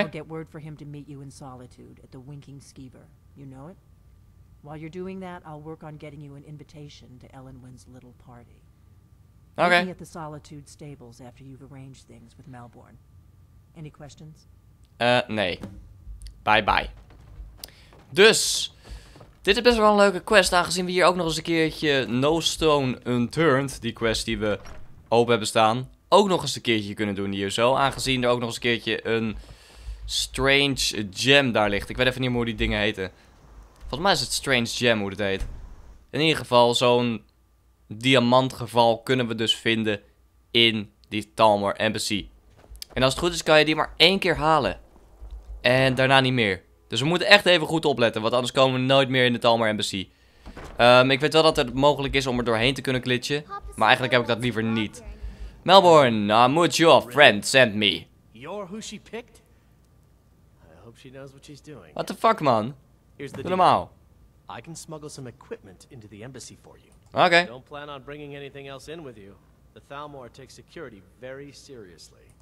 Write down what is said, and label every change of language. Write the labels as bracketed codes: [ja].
[en] I'll get word for him to meet you in Solitude at the Winking Skeever. You know it? While you're doing that, I'll work on getting you an invitation to Elenwen's little party. Okay. Meet me at the Solitude Stables after you've arranged things with Malborn. Any questions? [nl] Nee. Bye-bye. Dus, dit is best wel een leuke quest, aangezien we hier ook nog eens een keertje No Stone Unturned, die quest die we open hebben staan, ook nog eens een keertje kunnen doen hier zo. Aangezien er ook nog eens een keertje een Strange Gem daar ligt. Ik weet even niet meer hoe die dingen heten. Volgens mij is het Strange Gem hoe het heet. In ieder geval, zo'n diamantgeval kunnen we dus vinden in die Thalmor Embassy. En als het goed is, kan je die maar één keer halen. En daarna niet meer. Dus we moeten echt even goed opletten, want anders komen we nooit meer in de Thalmor Embassy. Ik weet wel dat het mogelijk is om er doorheen te kunnen glitchen, maar eigenlijk heb ik dat liever niet. [en] Malborn, Amut, your friend sent me. You're who she picked? I hope she knows what she's doing. What the fuck, man? Here's the deal. I can smuggle some equipment into the embassy for you. Okay. Don't plan on bringing anything else in with you. The Thalmor takes security very seriously.